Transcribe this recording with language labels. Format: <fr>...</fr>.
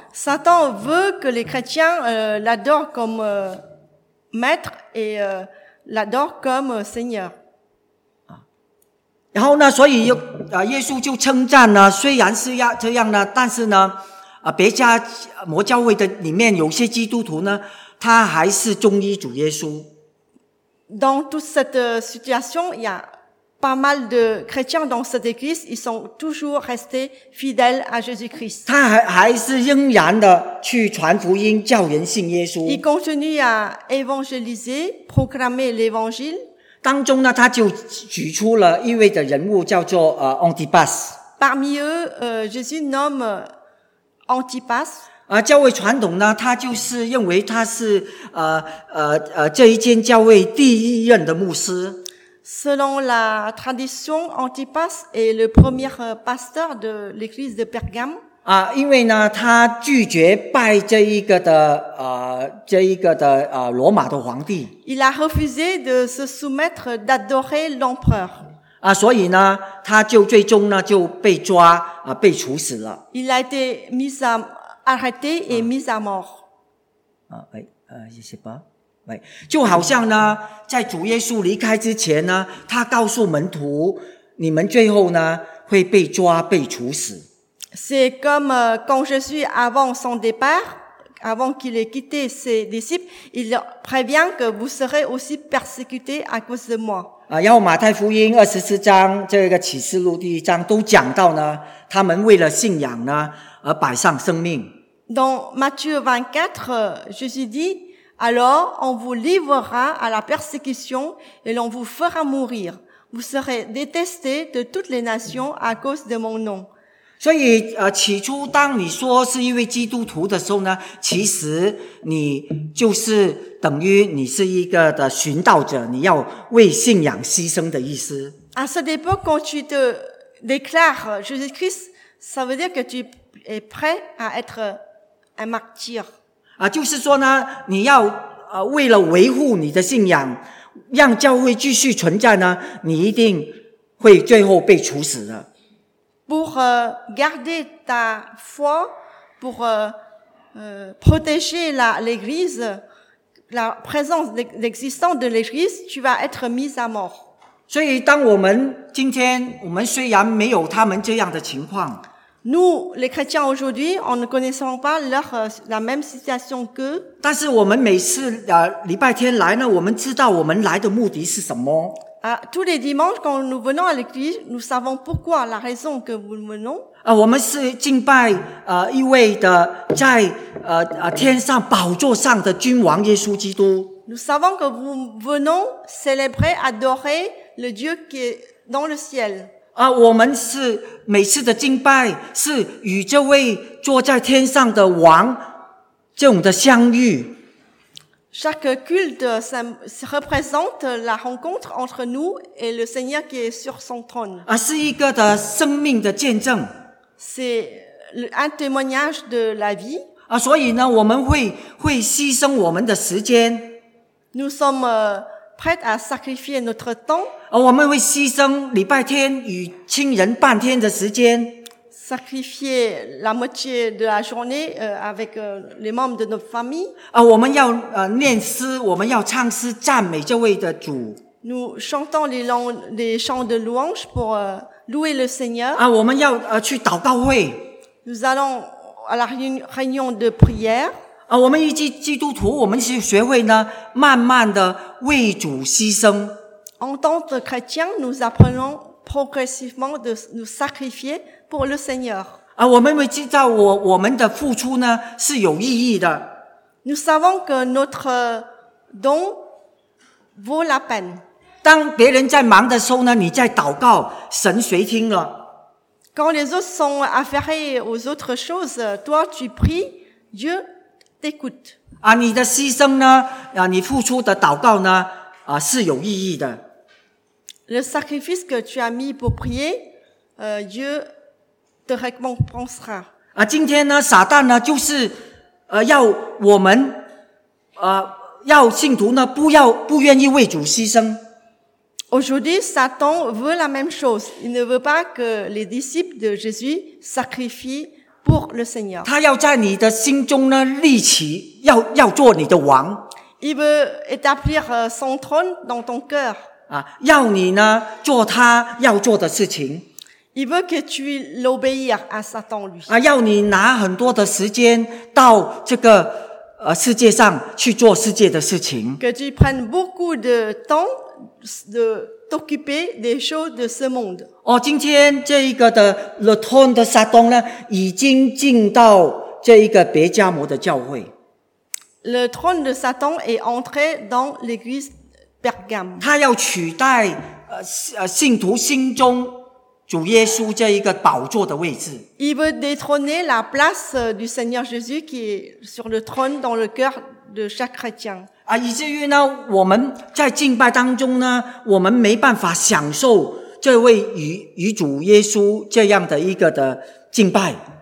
<fr>Satan veut que les chrétiens l'adorent comme maître et l'adore comme Seigneur.</fr> <zh>然后呢，所以耶稣就称赞呢，虽然是这样呢，但是呢，别加摩教会的里面有些基督徒呢，他还是忠于主耶稣。</zh> <fr>Dans toute cette situation, il y a pas mal de chrétiens dans cette église, ils sont toujours restés fidèles à Jésus-Christ.</fr> <zh>他还是仍然的去传福音，叫人信耶稣。</zh> <fr>Ils continuent à évangéliser, proclamer l'évangile.</fr> <zh>当中呢，他就举出了一位的人物，叫做Antipas.</zh> <fr>Parmi eux, Jésus nomme Antipas.</fr> <zh>教会传统呢，他就是认为他是这一间教会第一任的牧师。</zh> <fr>Selon la tradition, Antipas est le premier pasteur de l'église de Pergame.</fr> <zh>因为呢，他拒绝拜这一个的罗马的皇帝。</zh> <fr>Il a refusé de se soumettre d'adorer l'empereur.</fr> <zh>所以呢，他就最终呢就被抓被处死了。</zh> <fr>Il a été mis arrêté et mis à mort.</fr> <zh>啊, 哎, 啊, 也是吧。哎。就好像呢，在主耶稣离开之前呢，他告诉门徒，你们最后呢，会被抓，被处死。</zh> <fr>C'est comme quand Jésus, avant son départ, avant qu'il ait quitté ses disciples, il prévient que vous serez aussi persécutés à cause de moi.</fr> <zh>啊，然后马太福音二十四章这个启示录第一章都讲到呢，他们为了信仰呢而摆上生命。</zh> <fr>Dans Matthieu 24, Jésus dit, alors on vous livrera à la persécution et l'on vous fera mourir. Vous serez détestés de toutes les nations à cause de mon nom.</fr> <zh>所以起初当你说是一位基督徒的时候呢，其实你就是等于你是一个的寻道者，你要为信仰牺牲的意思。</zh> <fr>À cette époque, quand tu te déclares Jésus-Christ, ça veut dire que tu es prêt à être un martyr.</fr> <zh>啊，就是说呢，你要为了维护你的信仰，让教会继续存在呢，你一定会最后被处死的。</zh> <fr>Pour garder ta foi, pour protéger l'Église, la présence, l'existence de l'Église, tu vas être mis à mort.</fr> <zh>所以当我们今天，我们虽然没有他们这样的情况，</zh> <fr>nous, les chrétiens aujourd'hui, on ne connaissons pas la même situation qu'eux.</fr> <zh>但是我们每次礼拜天来呢，我们知道我们来的目的是什么。</zh> <fr>Tous les dimanches, quand nous venons à l'église, nous savons pourquoi, la raison que nous venons.</fr> <zh>我们是敬拜一位的在天上宝座上的君王耶稣基督。</zh> <fr>Nous savons que nous venons célébrer, adorer le Dieu qui est dans le ciel.</fr> <zh>我们是每次的敬拜是与这位坐在天上的王这种的相遇。</zh> <fr>Chaque culte représente la rencontre entre nous et le Seigneur qui est sur son trône.</fr> <zh>啊，是一个的生命的见证。</zh> <fr>C'est un témoignage de la vie.</fr> <zh>啊，所以呢，我们会牺牲我们的时间。</zh> <fr>Nous sommes prêts à sacrifier notre temps.</fr> <zh>啊，我们会牺牲礼拜天与亲人半天的时间。</zh> <fr>Sacrifier la moitié de la journée avec les membres de notre famille.</fr> <zh>我们要念诗，我们要唱诗赞美这位的主。</zh> <fr>Nous chantons les chants de louange pour louer le Seigneur.</fr> <zh>我们要去祷告会。</zh> <fr>Nous allons à la réunion de prière.</fr> <zh>我们基督徒，我们是学会呢，慢慢的为主牺牲。</zh> <fr>En tant que chrétien, nous apprenons progressivement de nous sacrifier. Pour le Seigneur.</fr> <zh>我们会知道我们的付出呢是有意义的。</zh> <fr>Nous savons que notre don vaut la peine.</fr> <zh>当别人在忙的时候呢，你在祷告，神谁听了？</zh> <fr>Quand les autres sont affairés aux autres choses, toi tu pries, Dieu t'écoute.</fr> <zh>你的牺牲呢，你付出的祷告呢，是有意义的。</zh> <fr>Le sacrifice que tu as mis pour prier, Dieu的 récompensera.</fr> <zh>今天呢，撒旦呢，就是要我们要信徒呢，不愿意为主牺牲。</zh> <fr>Aujourd'hui, Satan veut la même chose. Il ne veut pas que les disciples de Jésus sacrifient pour le Seigneur.</fr> <zh>他要在你的心中呢立起，要做你的王。</zh> <fr>Il veut établir son trône dans ton cœur.</fr> <zh>要你呢做他要做的事情。</zh> <fr>Il veut que tu l'obéir à Satan, lui.</fr> <zh>要你拿很多的时间到这个世界上去做世界的事情。</zh> <fr>Que tu prennes beaucoup de temps de t'occuper des choses de ce monde.</fr> <zh>今天这一个的</zh> <fr>le trône de Satan</fr> <zh>呢，已经进到这一个别加摩的教会。</zh> <fr>Le trône de Satan est entré dans l'église Pergame.</fr> <zh>他要取代信徒心中主耶稣这一个宝座的位置。</zh> <fr>Il veut détrôner la place du Seigneur Jésus qui est sur le trône dans le cœur de chaque chrétien.</fr> <zh>以至于呢，我们在敬拜当中呢，我们没办法享受这位与主耶稣这样的一个的敬拜。</zh>